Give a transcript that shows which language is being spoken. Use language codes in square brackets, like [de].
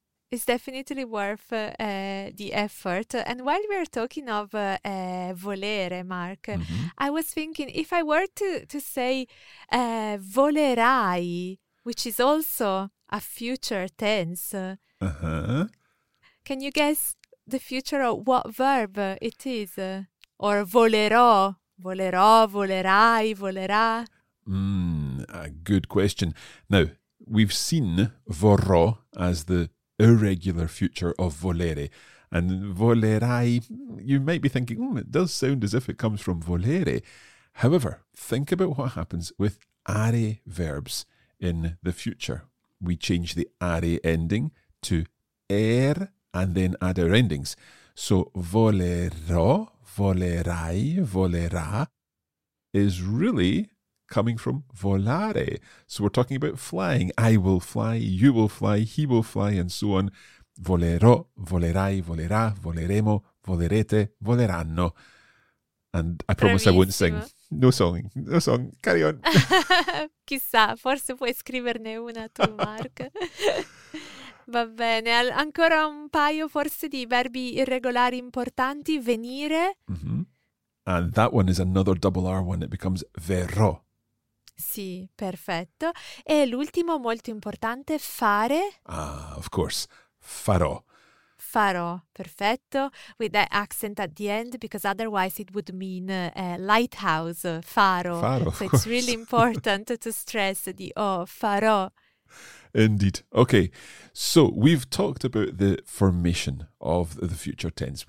[en] It's definitely worth the effort. And while we're talking of volere, Mark, mm-hmm. I was thinking, if I were to say volerai, which is also a future tense, can you guess the future of what verb it is? Or volerò, volerai, volerà? A good question. Now, we've seen vorrò as the irregular future of volere, and volerai, you might be thinking, it does sound as if it comes from volere. However, think about what happens with are verbs in the future. We change the are ending to er and then add our endings. So volerò, volerai, volerà is really coming from volare. So we're talking about flying. I will fly, you will fly, he will fly, and so on. [it] Volerò, volerai, volerà, voleremo, volerete, voleranno. [en] And I promise. [it] Bravissimo. [en] I won't sing. No song. Carry on. [it] Chissà, forse puoi scriverne una tu, Mark. Va bene, ancora un paio forse di verbi irregolari importanti, venire. Mm-hmm. [en] And that one is another double R one, it becomes verrò. [it] Sì, perfetto. E l'ultimo molto importante, fare. [en] Ah, of course, farò. Farò, perfetto, with that accent at the end, because otherwise it would mean lighthouse, faro. [it] Faro, [en] so it's really important to stress the O, farò. Indeed. Okay, so we've talked about the formation of the future tense.